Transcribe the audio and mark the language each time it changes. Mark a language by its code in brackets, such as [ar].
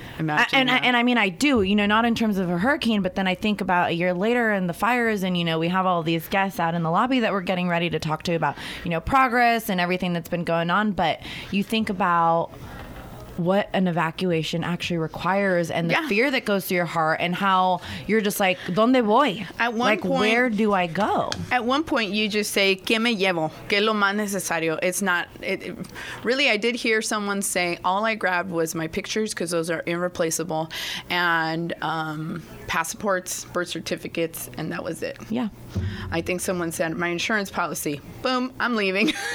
[en] I mean, I do, you know, not in terms of a hurricane, but then I think about a year later and the fires, and, you know, we have all these guests out in the lobby that we're getting ready to talk to about, you know, progress and everything that's been going on. But you think about what an evacuation actually requires and the fear that goes through your heart and how you're just like, [es] ¿dónde voy? [en] At one like, point, where do I go? At one point, you just say, [es] ¿qué me llevo? ¿Qué es lo más necesario? [en] It's not... Really, I did hear someone say, all I grabbed was my pictures because those are irreplaceable and passports, birth certificates, and that was it. Yeah. I think someone said, my insurance policy. Boom, I'm leaving.